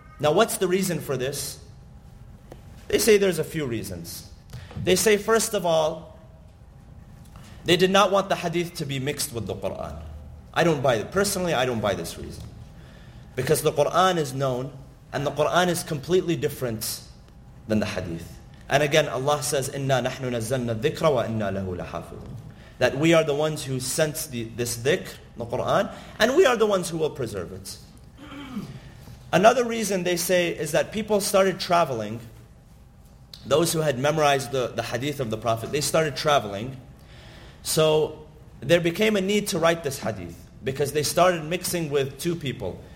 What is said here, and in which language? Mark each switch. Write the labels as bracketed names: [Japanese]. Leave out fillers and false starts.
[English] Now what's the reason for this? They say there's a few reasons. They say, first of all, they did not want the hadith to be mixed with the Qur'an. I don't buy it. Personally, I don't buy this reason. Because the Qur'an is known, and the Qur'an is completely different than the hadith. And again, Allah says, [Arabic] إِنَّا نَحْنُ نَزَّلْنَا الذِّكْرَ وَإِنَّا لَهُ لَحَافِظٌ. [English] That we are the ones who sent this dhikr, the Qur'an, and we are the ones who will preserve it. Another reason, they say, is that people started traveling. Those who had memorized the hadith of the Prophet, they started traveling. So there became a need to write this hadith because they started mixing with two people.